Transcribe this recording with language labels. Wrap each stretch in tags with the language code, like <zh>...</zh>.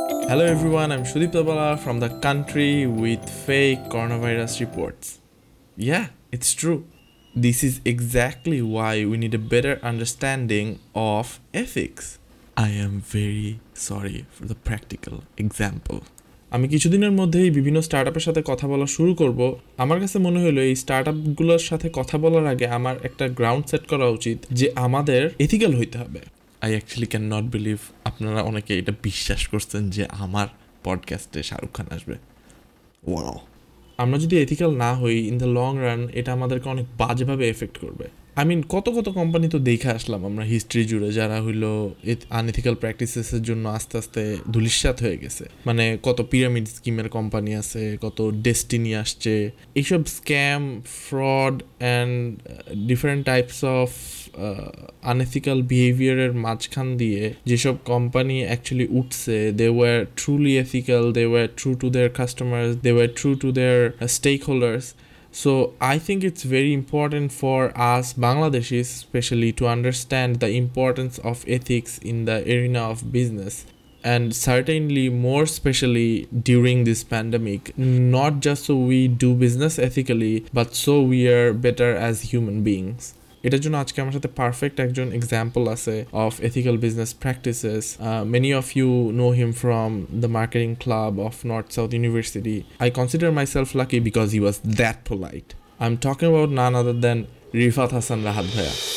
<en>Hello everyone, I'm Sudip Dabala from the country with fake coronavirus reports. Yeah, it's true. This is exactly why we need a better understanding of ethics. I am very sorry for the practical example.</en> <bn>আমি কিছুদিনের মধ্যেই বিভিন্ন স্টার্টআপের সাথে কথা বলা শুরু করব। আমার কাছে মনে হলো এই স্টার্টআপগুলোর সাথে কথা বলার আগে আমার একটা গ্রাউন্ড সেট করা উচিত যে আমাদের এথিক্যাল হইতে হবে।</bn> <en>I actually can not believe</en> <bn>আপনারা অনেকে এটা বিশ্বাস করছেন যে আমার পডকাস্টে শাহরুখ খান আসবে। ওয়াও, আমরা যদি এথিক্যাল না হই</bn> <en>in the long run,</en> <bn>এটা আমাদেরকে অনেক বাজেভাবে এফেক্ট করবে।</bn> <en>I mean,</en> <bn>কত কত কোম্পানি তো দেখে আসলাম আমরা হিস্ট্রি জুড়ে, যারা হইলো আনএথিক্যাল প্র্যাকটিসেসের জন্য আস্তে আস্তে ধূলিসাৎ হয়ে গেছে। মানে কত পিরামিড স্কিমের কোম্পানি আছে, কত ডেস্টিনি আসছে, এইসব scam,</bn> <en>fraud and different types of unethical</en> <bn>বিহেভিয়ারের মাঝখান দিয়ে যেসব কোম্পানি অ্যাকচুয়ালি উঠছে,</bn> <en>They were truly ethical, they were true to their customer, they were true to their stakeholders. So I think it's very important for us Bangladeshis especially to understand the importance of ethics in the arena of business, and certainly more specially during this pandemic, not just so we do business ethically but so we are better as human beings.</en> <bn>এটার জন্য আজকে আমার সাথে perfect একজন example আছে</bn> <en>Of ethical business practices. Many of you know him from the marketing club of North South University. I consider myself lucky because he was that polite. I am talking about none other than Rifat Hasan Rahat ভাইয়া।</en>